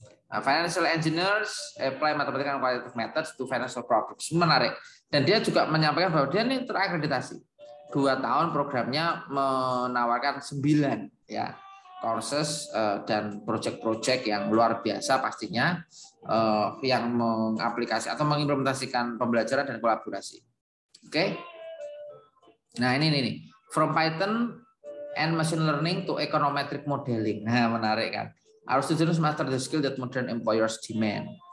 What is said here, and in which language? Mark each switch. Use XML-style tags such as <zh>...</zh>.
<en>Financial engineers apply matematika and quantitative methods to financial problems.</en> <id>Menarik. Dan dia juga menyampaikan bahwa dia ini terakreditasi. 2 tahun programnya menawarkan 9 ya courses dan project-project yang luar biasa pastinya, yang mengaplikasi atau mengimplementasikan pembelajaran dan kolaborasi. Oke. Okay? Nah, ini.</id> <en>From Python and machine learning to econometric modeling.</en> <id>Nah, menarik kan.</id> <en>Our students master the skill that modern employers demand.</en>